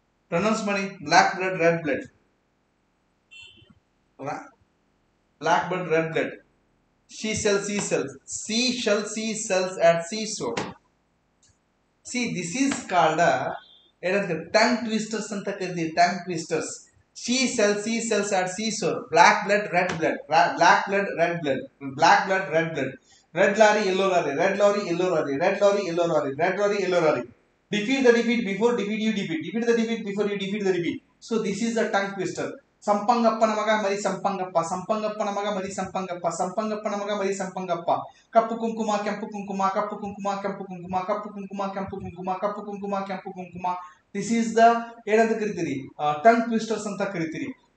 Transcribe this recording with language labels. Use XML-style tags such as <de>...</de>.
<en>pronounce</en> <kn>ಮಾಡಿ,</kn> <en>Black blood red blood, black blood red blood. She shall see cells. She shall see cells at seashore. See, this is called a tongue twisters. Tongue twisters. She shall see cells at seashore. Black blood, red blood. Black blood, red blood. Black blood, red blood. Red lorry, yellow lorry. Red lorry, yellow lorry. Red lorry, yellow lorry. Red lorry, yellow lorry. Defeat the defeat before defeat you defeat. Defeat the defeat before you defeat the defeat. So this is a tongue twister.</en> <kn>ಸಂಪಂಗಪ್ಪನ ಮಗ ಮರಿ ಸಂಪಂಗಪ್ಪ, ಸಂಪಂಗಪ್ಪನ ಮಗ ಮರಿ ಸಂಪಂಗಪ್ಪ, ಸಂಪಂಗಪ್ಪನ ಮಗ ಮರಿ ಸಂಪಂಗಪ್ಪ. ಕಪ್ಪು ಕುಂಕುಮ, ಕೆಂಪು ಕುಂಕುಮ, ಕಪ್ಪು ಕುಂಕುಮ, ಕೆಂಪು ಕುಂಕುಮ, ಕಪ್ಪು ಕುಂಕುಮ, ಕೆಂಪು ಕುಂಕುಮ, ಕಪ್ಪು ಕುಂಕುಮ, ಕೆಂಪು ಕುಂಕುಮ.</kn> <en>this is the</en> <kn>ಏನಂತ ಕರಿತೀರಿ,</kn> <en>tongue twisters</en> <kn>ಅಂತ ಕರಿತೀರಿ.</kn>